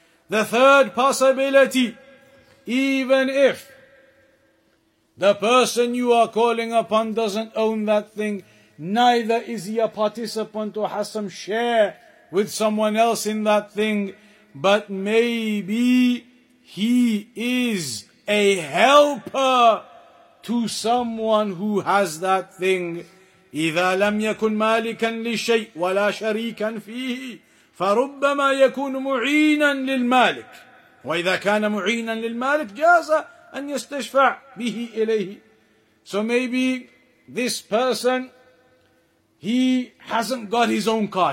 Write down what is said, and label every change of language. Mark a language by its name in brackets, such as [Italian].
[English] The third possibility, even if the person you are calling upon doesn't own that thing, neither is he a participant or has some share with someone else in that thing, but maybe he is a helper to someone who has that thing. [Arabic] إذا لم يكن مالكا لشيء ولا شريكا فيه فربما يكون معينا للمالك. وإذا كان معينا للمالك جاز أن يستشفع به إليه. [English] So maybe this person, he hasn't got his own car.